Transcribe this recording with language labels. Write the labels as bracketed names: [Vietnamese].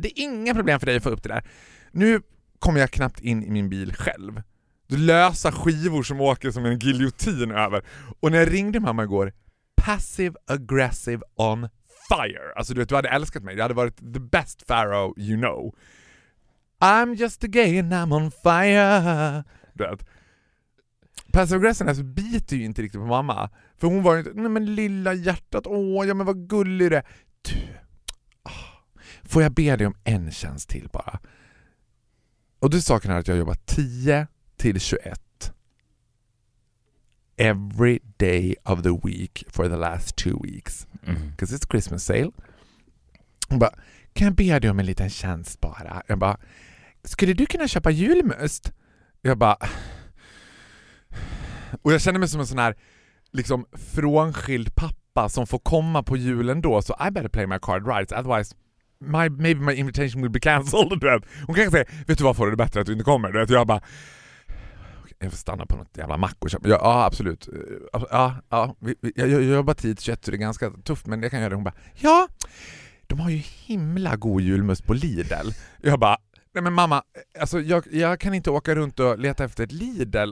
[Swedish] Det är inga problem för dig att få upp det där. Nu kommer jag knappt in i min bil själv. Du lösa skivor som åker som en giljotin över. Och när jag ringde mamma igår, [English] passive aggressive on fire. [Swedish] Alltså du vet, du hade älskat mig. Jag hade varit [English] the best Faro you know. I'm just a gay and I'm on fire. [Swedish] Du vet. [English] Passive aggressive [Swedish] alltså, biter ju inte riktigt på mamma. För hon var ju inte, nej men lilla hjärtat, åh ja men vad gullig det. Du, får jag be dig om en tjänst till bara? Och du, saken är att jag jobbar 10-21. [English] Every day of the week for the last 2 weeks. Because it's Christmas sale. [Swedish] Hon bara, kan jag be dig om en liten tjänst bara? Jag bara, skulle du kunna köpa julmust? Jag bara, och jag känner mig som en sån här liksom frånskild pappa som får komma på julen då. [English] Så I better play my card right. Otherwise, maybe my invitation will be cancelled. [Swedish] Hon kan säga, vet du vad, får du det bättre att du inte kommer? Du vet, jag bara, okay, jag får stanna på något jävla mack och köpa. Ja, ja absolut. Ja, ja, jag jobbar tid 21 så det är ganska tufft. Men jag kan göra det. Hon bara, ja, de har ju himla god julmust på Lidl. Jag bara, nej men mamma, alltså jag kan inte åka runt och leta efter ett Lidl.